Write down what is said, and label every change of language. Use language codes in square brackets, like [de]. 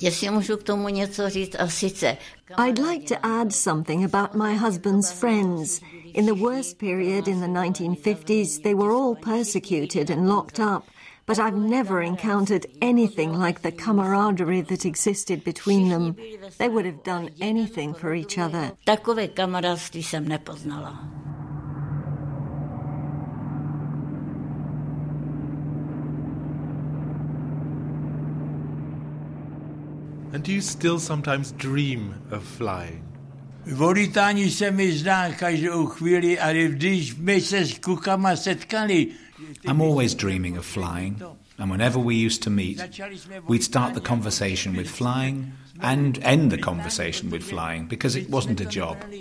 [en] I'd like to add something about my husband's friends. In the worst period in the 1950s, they were all persecuted and locked up. But I've never encountered anything like the camaraderie that existed between them. They would have done anything for each other. [cs] Takové kamarádství jsem nepoznala. [en] And do you still sometimes dream of flying? [cs] Volitání se mi zdá každou chvíli, ale když my se s klukama setkali. [en] I'm always dreaming of flying, and whenever we used to meet, we'd start the conversation with flying and end the conversation with flying, because it wasn't a job.